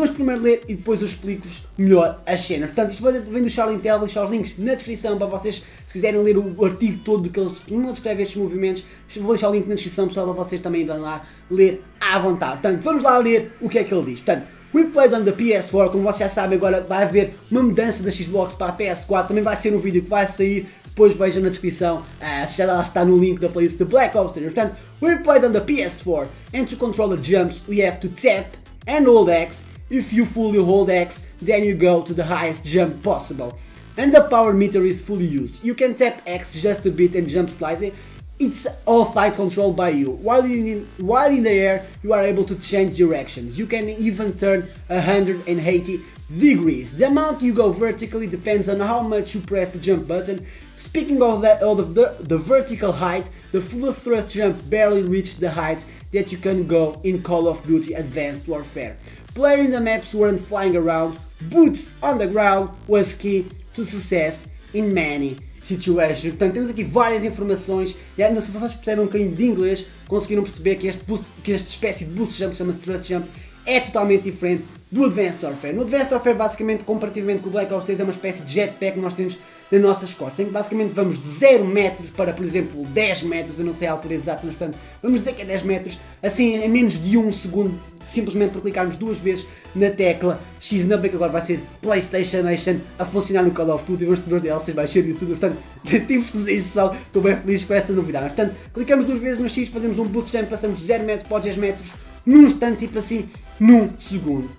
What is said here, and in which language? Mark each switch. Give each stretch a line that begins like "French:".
Portuguese: Vamos primeiro ler e depois eu explico-vos melhor a cena. Portanto, isto vem do Charlie Intel, vou deixar os links na descrição para vocês, se quiserem ler o artigo todo que eles não descrevem estes movimentos, vou deixar o link na descrição, pessoal, para vocês também irem lá ler à vontade. Portanto, vamos lá ler o que é que ele diz. Portanto,
English: we played on the PS4,
Portuguese: como vocês já sabem, agora vai haver uma mudança da Xbox para a PS4, também vai ser um vídeo que vai sair, depois vejam na descrição, se já está no link da playlist de Black Ops 3.
English: Portanto, we played on the PS4, and to control the jumps, we have to tap and hold X. If you fully hold X, then you go to the highest jump possible. And the power meter is fully used. You can tap X just a bit and jump slightly. It's all flight controlled by you. While in the air, you are able to change directions. You can even turn 180 degrees. The amount you go vertically depends on how much you press the jump button. Speaking of that, of the vertical height, the full thrust jump barely reached the height that you can go in Call of Duty Advanced Warfare. Playing the maps weren't flying around, boots on the ground was key to success in many situations.
Portuguese: Portanto, temos aqui várias informações, e ainda se vocês perceberam um bocadinho de inglês, conseguiram perceber que esta espécie de boost jump, que chama-se thrust jump, é totalmente diferente do Advanced Warfare. No Advanced Warfare, basicamente, comparativamente com o Black Ops 3, é uma espécie de jetpack que nós temos nas nossas costas, em que basicamente vamos de 0 metros para, por exemplo, 10 metros, eu não sei a altura exata, mas portanto, vamos dizer que é 10 metros, assim, em menos de 1 segundo, simplesmente por clicarmos duas vezes na tecla X, não bem que agora vai ser PlayStation Nation a funcionar no Call of Duty, vamos ter os DLCs, vai ser isso tudo, portanto, tive-vos que dizer isso, pessoal, estou bem feliz com essa novidade, mas, portanto, clicamos duas vezes no X, fazemos um boost jump, passamos de 0 metros para os 10 metros, num instante, tipo assim, num segundo.